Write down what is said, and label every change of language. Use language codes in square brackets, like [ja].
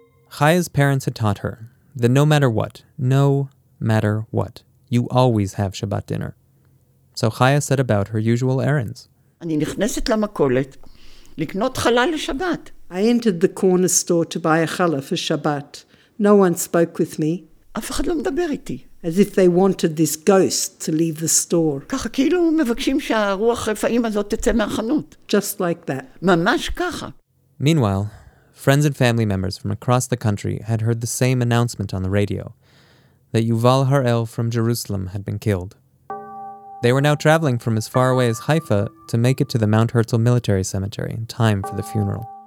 [en] Chaya's parents had taught her that no matter what, you always have Shabbat dinner. So Chaya set about her usual errands. [he] אני נכנסת למכולת, לקנות חלה לשבת. [en] I entered the corner store to buy a challah for Shabbat. No one spoke with me. [he] אף אחד לא מדבר איתי. [en] As if they wanted this ghost to leave the store. [he] ככה, כאילו מבקשים שהרוח רפאים הזאת תצא מהחנות. [en] Just like that. [he] ממש ככה. [en] Meanwhile, friends and family members from across the country had heard the same announcement on the radio, that Yuval Harel from Jerusalem had been killed. They were now traveling from as far away as Haifa to make it to the Mount Herzl Military Cemetery in time for the funeral.